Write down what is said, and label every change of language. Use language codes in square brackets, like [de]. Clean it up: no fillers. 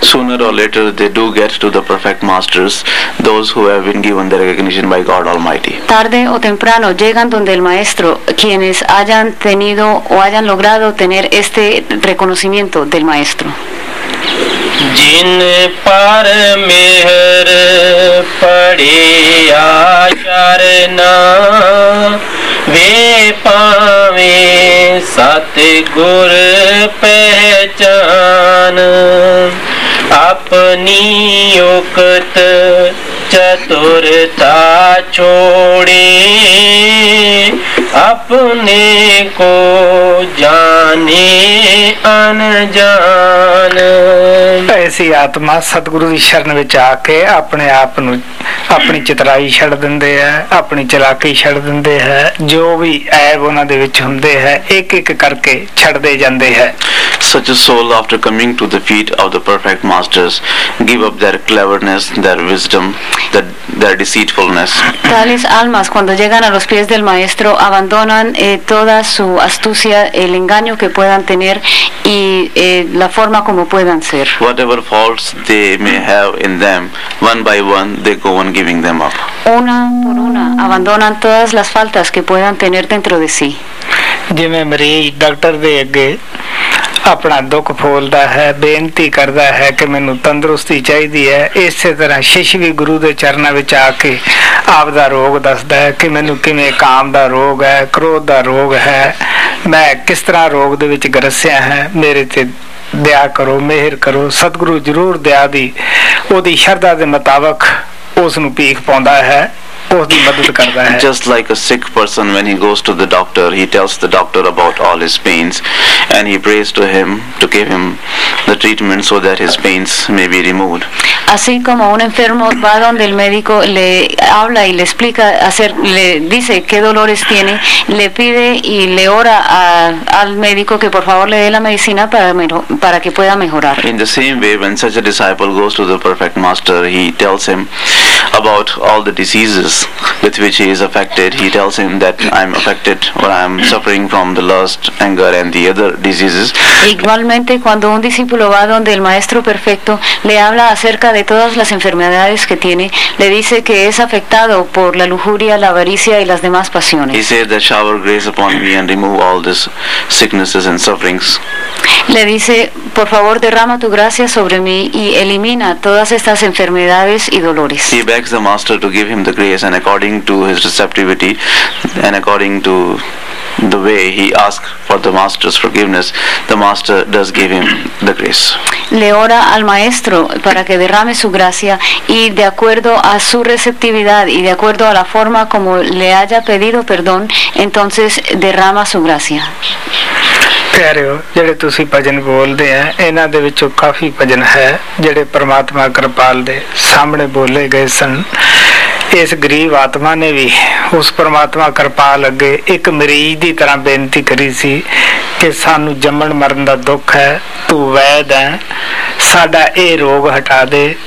[en] Sooner or later they do get to the perfect masters, those who have been given the recognition by God Almighty. [es] Tarde o temprano llegan donde el Maestro, quienes hayan tenido o hayan logrado tener este reconocimiento del Maestro. [pa] Jin par meher padi acharna ve pave sat gur pehchan apni yukat chaturta chode apne ko jaane anjaan। ਐਸੀ ਆਤਮਾ ਸਤਿਗੁਰੂ ਦੀ ਸ਼ਰਨ ਵਿੱਚ ਆ ਕੇ ਆਪਣੇ ਆਪ ਨੂੰ ਆਪਣੀ ਚਤੁਰਾਈ ਛੱਡ ਦਿੰਦੇ ਹੈ, ਆਪਣੀ ਚਲਾਕੀ ਛੱਡ ਦਿੰਦੇ ਹੈ, ਜੋ ਵੀ ਐਬ ਉਹਨਾਂ ਦੇ ਵਿੱਚ ਹੁੰਦੇ ਹੈ ਇੱਕ ਇੱਕ ਕਰਕੇ ਛੱਡਦੇ ਜਾਂਦੇ ਹੈ। [en] Such a soul, after coming to the feet of the perfect masters, give up their cleverness, their wisdom, their deceitfulness. [es] Tales almas, cuando llegan a los pies del maestro, abandonan toda su astucia, el engaño que puedan tener y la forma como puedan ser. [en] Whatever faults they may have in them, one by one they go on giving them up. [es] Una por una abandonan todas las faltas que puedan tener dentro de sí. [pa] ਜਿਵੇਂ ਮਰੀਜ਼ doctor ਦੇ ਅੱਗੇ ਆਪਣਾ ਦੁੱਖ ਫੋਲਦਾ ਹੈ, ਬੇਨਤੀ ਕਰਦਾ ਹੈ ਕਿ ਮੈਨੂੰ ਤੰਦਰੁਸਤੀ ਚਾਹੀਦੀ ਹੈ, ਇਸੇ ਤਰ੍ਹਾਂ ਸ਼ਿਸ਼ ਵੀ ਗੁਰੂ ਦੇ ਚਰਨਾਂ ਵਿੱਚ ਆ ਕੇ ਆਪਦਾ ਰੋਗ ਦੱਸਦਾ ਹੈ ਕਿ ਮੈਨੂੰ ਕਿਵੇਂ ਕਾਮ ਦਾ ਰੋਗ ਹੈ, ਕ੍ਰੋਧ ਦਾ ਰੋਗ ਹੈ, ਮੈਂ ਕਿਸ ਤਰ੍ਹਾਂ ਰੋਗ ਦੇ ਵਿੱਚ ਗਰਸਿਆ ਹੈ, ਮੇਰੇ 'ਤੇ ਦਇਆ ਕਰੋ, ਮਿਹਰ ਕਰੋ। ਸਤਿਗੁਰੂ ਜ਼ਰੂਰ ਦਇਆ ਦੀ ਉਹਦੀ ਸ਼ਰਧਾ ਦੇ ਮੁਤਾਬਕ ਉਸਨੂੰ ਭੀਖ ਪਾਉਂਦਾ ਹੈ। [en] Just like a sick person, when he goes to the doctor, he tells the doctor about all his pains and he prays to him to give him the treatment so that his pains may be removed. [es] Así como un enfermo va donde el médico, le habla y le explica, le dice qué dolores tiene, le pide y le ora al médico que por favor le dé la medicina para que pueda mejorar. [en] In the same way, when such a disciple goes to the perfect master, he tells him about all the diseases with which he is affected. He tells him that I'm affected or I'm suffering from the lust, anger and the other diseases. [es] Igualmente, cuando un discípulo va donde el maestro perfecto, le habla acerca de todas las enfermedades que tiene, le dice que es afectado por la lujuria, la avaricia y las demás pasiones. [en] He says that shower grace upon me and remove all these sicknesses and sufferings. [es] Le dice, por favor derrama tu gracia sobre mí y elimina todas estas enfermedades y dolores. [en] He begs the master to give him the grace, and according to his receptivity and according to the way he asks for the master's forgiveness, the master does give him the grace. [es] Le ora al maestro para que derrame su gracia y de acuerdo a su receptividad y de acuerdo a la forma como le haya pedido perdón, entonces derrama su gracia. [pa] ਕਹਿ ਰਹੇ ਹੋ ਜਿਹੜੇ ਤੁਸੀਂ ਭਜਨ ਬੋਲਦੇ ਹੈ, ਇਹਨਾਂ ਦੇ ਵਿੱਚੋਂ ਕਾਫੀ ਭਜਨ ਹੈ ਜਿਹੜੇ ਪਰਮਾਤਮਾ ਕਿਰਪਾਲ ਦੇ ਸਾਹਮਣੇ ਬੋਲੇ ਗਏ ਸਨ। ਇਸ ਗਰੀਬ ਆਤਮਾ ਨੇ ਵੀ ਉਸ ਪਰਮਾਤਮਾ ਕਿਰਪਾਲ ਅੱਗੇ ਇੱਕ ਮਰੀਜ਼ ਦੀ ਤਰ੍ਹਾਂ ਬੇਨਤੀ ਕਰੀ ਸੀ ਕਿ ਸਾਨੂੰ ਜੰਮਣ ਮਰਨ ਦਾ ਦੁੱਖ ਹੈ, ਤੂੰ ਵੈਦ ਹੈ, ਸਾਡਾ ਇਹ ਰੋਗ ਹਟਾ ਦੇ,